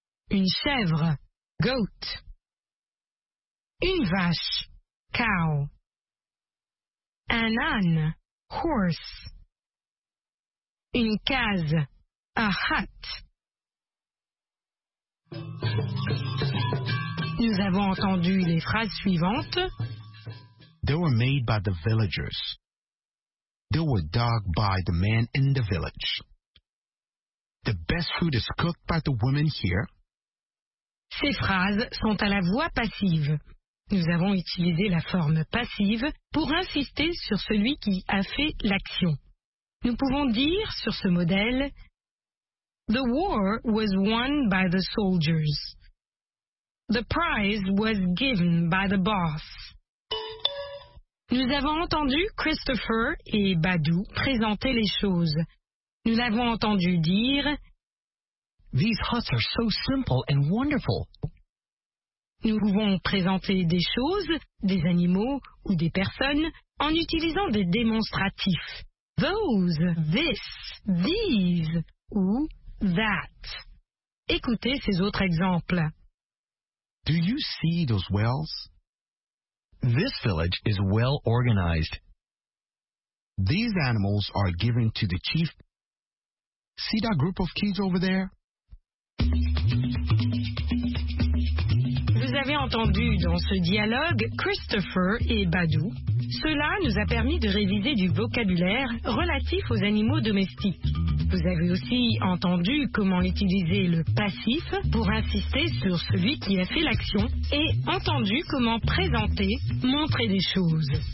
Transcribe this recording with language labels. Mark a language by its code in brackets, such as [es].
[fr] Une chèvre, goat. Une vache, cow. Un âne, horse. Une case, a hut. Nous avons entendu les phrases suivantes. [en] They were made by the villagers. They were dug by the men in the village. The best food is cooked by the women here. [fr] Ces phrases sont à la voix passive. Nous avons utilisé la forme passive pour insister sur celui qui a fait l'action. Nous pouvons dire sur ce modèle, [en] The war was won by the soldiers. The prize was given by the boss. [fr] Nous avons entendu Christopher et Badu présenter les choses. Nous l'avons entendu dire [en] These huts are so simple and wonderful. [fr] Nous pouvons présenter des choses, des animaux ou des personnes en utilisant des démonstratifs. [en] Those, this, these ou that. [fr] Écoutez ces autres exemples. [en] Do you see those wells? This village is well organized. These animals are given to the chief. See that group of kids over there? [fr] Vous avez entendu dans ce dialogue Christopher et Badu. Cela nous a permis de réviser du vocabulaire relatif aux animaux domestiques. Vous avez aussi entendu comment utiliser le passif pour insister sur celui qui a fait l'action et entendu comment présenter, montrer des choses.